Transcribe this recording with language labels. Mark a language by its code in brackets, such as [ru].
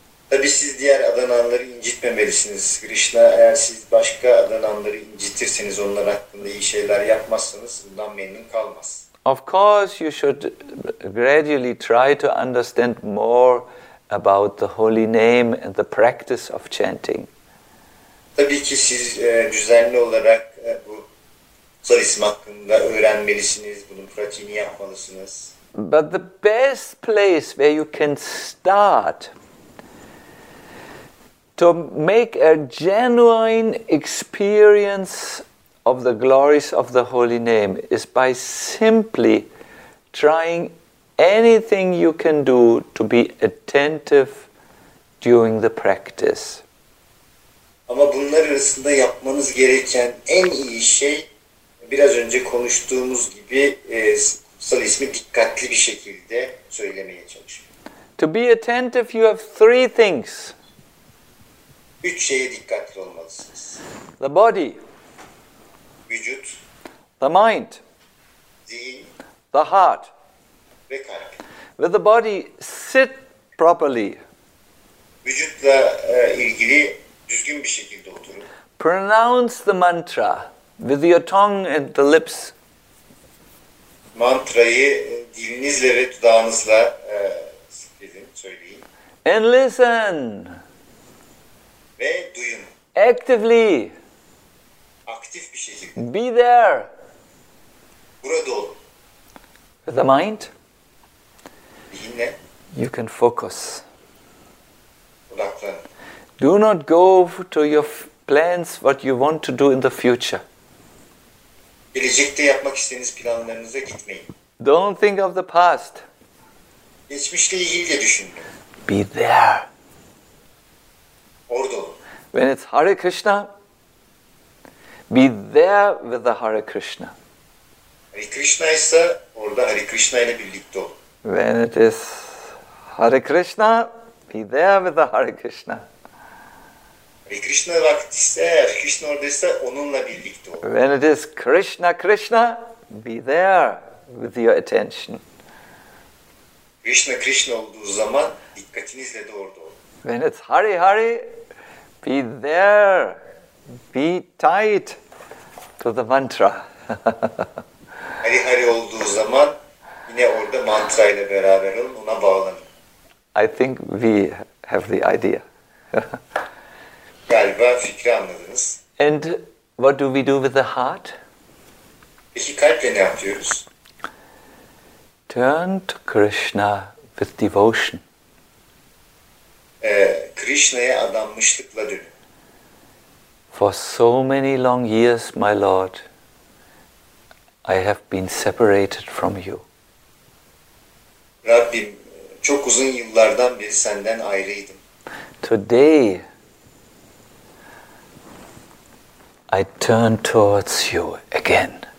[tr] Tabii siz diğer adananları incitmemelisiniz. Krishna, eğer siz başka adananları incitirseniz, onlar hakkında iyi şeyler yapmazsanız, bundan memnun kalmaz. [en] Of course, you should gradually try to understand more about the holy name and the practice of chanting. [tr] Tabii ki siz düzenli olarak bu kutsal isim hakkında öğrenmelisiniz, bunun pratiğini yapmalısınız. [en] But the best place where you can start to make a genuine experience of the glories of the holy name is by simply trying anything you can do to be attentive during the practice. [tr] Ama bunlar arasında yapmanız gereken en iyi şey biraz önce konuştuğumuz gibi kutsal ismi dikkatli bir şekilde söylemeye çalışmak. [en] To be attentive you have three things. [tr] Üç şeye dikkatli olmalısınız. [en] The body. [tr] Vücut. [en] The mind. [tr] Zihin. [en] The heart. [tr] Ve kalp. [en] With the body, sit properly. [tr] Vücutla ilgili düzgün bir şekilde oturun. [en] Pronounce the mantra with your tongue and the lips. [tr] Mantrayı dilinizle ve dudağınızla sıkledin, söyleyin. [en] And listen. [tr] Ve duyun. [en] Actively. [tr] Aktif bir şekilde. [en] Be there. [tr] Burada ol. [en] With the mind. [tr] Zihinle. [en] You can focus. [tr] Odaklan. [en] Do not go to your plans, what you want to do in the future. [tr] Gelecekte yapmak istediğiniz planlarınıza gitmeyin. [en] Don't think of the past. [tr] Geçmişle ilgili de düşünün. [en] Be there. [tr] Orada ol. [en] When it's Hare Krishna, be there with the Hare Krishna. [tr] Hare Krishna ise orada Hare Krishna ile birlikte ol. [en] When it is Hare Krishna, be there with the Hare Krishna. [tr] Hare Krishna vakti ise, Hare Krishna oradaysa onunla birlikte ol. [en] When it is Krishna Krishna, be there with your attention. [tr] Krishna Krishna olduğu zaman dikkatinizle de orada ol. [en] When it's Hare Hare, be there, be tight to the mantra. [tr] Hare Hare olduğu zaman yine orada mantrayla beraber olun, ona bağlanın. [en] I think we have the idea. [tr] Galiba fikri anladınız. [en] And what do we do with the heart? [tr] Peki kalple ne yapıyoruz? [en] Turn to Krishna with devotion. [tr] Krishna'ya adanmışlıkla dönün. [en] For so many long years, my Lord, I have been separated from you. [tr] Rabbim, çok uzun yıllardan beri senden ayrıydım. [en] Today, I turn towards you again.